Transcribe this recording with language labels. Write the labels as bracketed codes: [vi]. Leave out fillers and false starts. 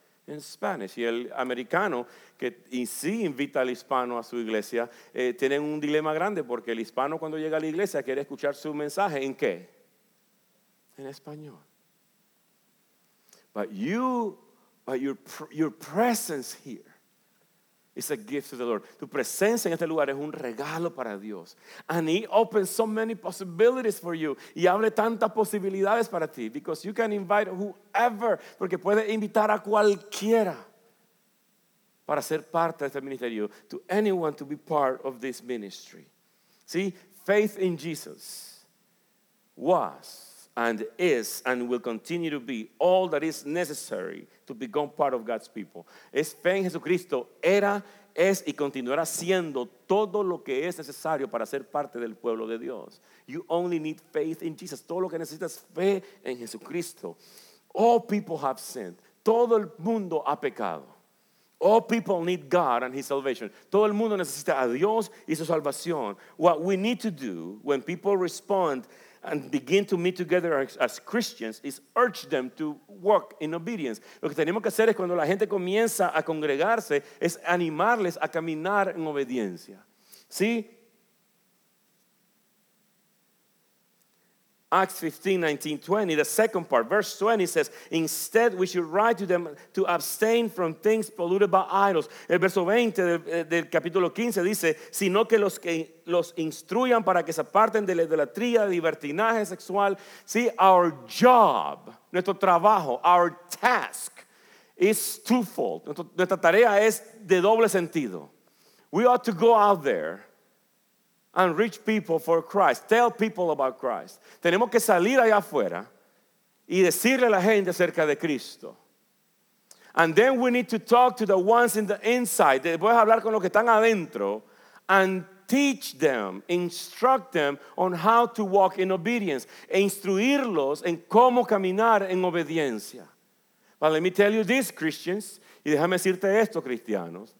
[en] In Spanish. [es] Y el americano que sí invita al hispano a su iglesia tiene un dilema grande porque el hispano cuando llega a la iglesia quiere escuchar su mensaje en qué? En español. [en] But your presence here is a gift to the Lord. [es] Tu presencia en este lugar es un regalo para Dios. [en] And he opens so many possibilities for you. [es] Y abre tantas posibilidades para ti. [en] Because you can invite whoever. [es] Porque puedes invitar a cualquiera para ser parte de este ministerio. [en] To anyone to be part of this ministry. See, faith in Jesus was and is and will continue to be all that is necessary to become part of God's people. [es] Es fe en Jesucristo, era, es y continuará siendo todo lo que es necesario para ser parte del pueblo de Dios. [en] You only need faith in Jesus. [es] Todo lo que necesitas es fe en Jesucristo. [en] All people have sinned. [es] Todo el mundo ha pecado. [en] All people need God and his salvation. [es] Todo el mundo necesita a Dios y su salvación. [en] What we need to do when people respond and begin to meet together as Christians is urge them to walk in obedience. [es] Lo que tenemos que hacer es cuando la gente comienza a congregarse es animarles a caminar en obediencia. [en] See? Acts 15, 19, 20, the second part, verse 20 says, instead we should write to them to abstain from things polluted by idols. [es] El verso 20 del capítulo 15 dice, sino que los instruyan para que se aparten de la idolatría, de libertinaje sexual. [en] See, our job, [es] nuestro trabajo, [en] our task is twofold. [es] Nuestra tarea es de doble sentido. [en] We ought to go out there and reach people for Christ. Tell people about Christ. [es] Tenemos que salir allá afuera y decirle a la gente acerca de Cristo. [en] And then we need to talk to the ones in the inside. [es] Después hablar con los que están adentro. [en] And teach them, instruct them on how to walk in obedience. [es] E instruirlos en cómo caminar en obediencia. [en] But let me tell you this, Christians. [es] Y déjame decirte esto, cristianos.